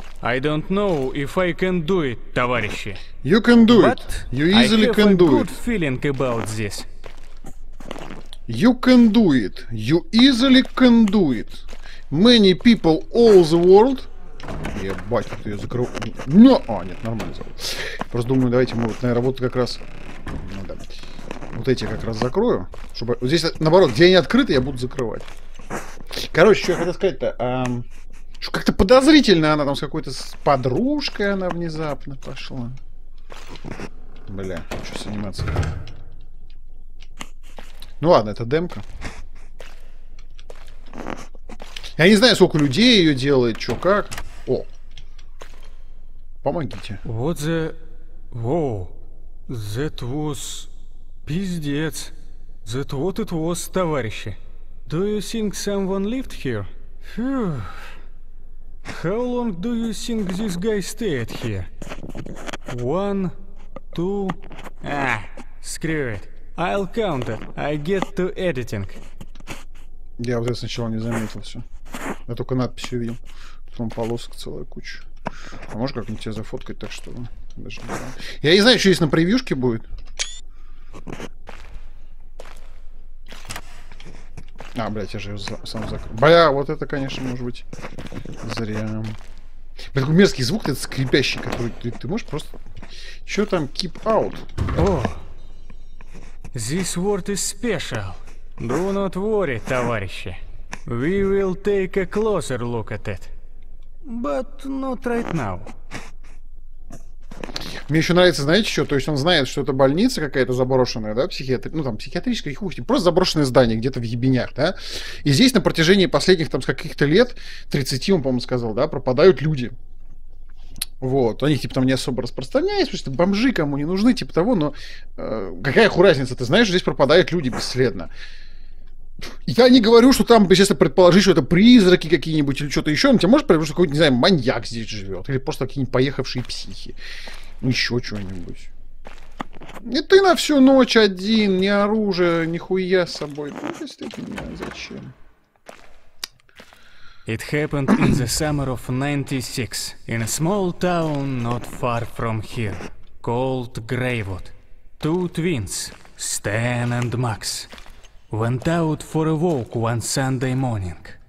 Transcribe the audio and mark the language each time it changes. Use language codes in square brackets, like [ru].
[en] I don't know if I can do it, [ru] товарищи. [en] You can do it. You easily can do it. I have a good feeling about this. You can do it. You easily can do it. Many people all the world. [ru] Ебать, как ты ее закрыл. Но, а, нет, нормально закрыл. Просто думаю, давайте мы вот, наверное, вот как раз. Ну, да. Вот эти как раз закрою. Чтобы. Вот здесь, наоборот, где они открыты, я буду закрывать. Короче, что я хотел сказать-то. Что как-то подозрительно она там с какой-то с подружкой она внезапно пошла. Бля, что с анимацией. Ну ладно, это демка. Я не знаю, сколько людей ее делает, чё как. О, помогите. [en] What the? Whoa, that was [ru] пиздец. [en] That what it was, [ru] товарищи. [en] Do you think someone lived here? Phew. How long do you think this guy stayed here? 1, 2. Ah, screw it. I'll count it. I get to editing. [ru] Я вот это сначала не заметил все. Я только надпись увидел. Потом полосок целая куча. А можешь как-нибудь тебя зафоткать, так что. Даже не знаю. Я не знаю, что здесь на превьюшке будет. А, блядь, я же ее сам закрыл. Бля, вот это, конечно, может быть зря. Блядь, такой мерзкий звук этот скрипящий, который ты можешь просто... Чё там, [en] keep out? О, this word is special. Do not worry, [ru] товарищи. [en] We will take a closer look at it. But not right now. [ru] Мне еще нравится, знаете что, то есть он знает, что это больница какая-то заброшенная, да, психиатрическая, ну там психиатрическая, их ухти, просто заброшенное здание где-то в ебенях, да, и здесь на протяжении последних там с каких-то лет, 30, он, по-моему, сказал, да, пропадают люди, вот, они типа там не особо распространяются, потому что бомжи кому не нужны, типа того, но какая хуй разница, ты знаешь, что здесь пропадают люди бесследно. Я не говорю, что там, если предположить, что это призраки какие-нибудь или что-то еще, но тебе может предположить, что какой-то, не знаю, маньяк здесь живет, или просто какие-нибудь поехавшие психи, еще что-нибудь. И ты на всю ночь один, ни оружия, нихуя с собой. Ну, действительно, зачем? [en] It happened in the summer of 96, in a small town not far from here, called Greywood. Two twins, Stan and Max. Went out for a walk one Sunday morning.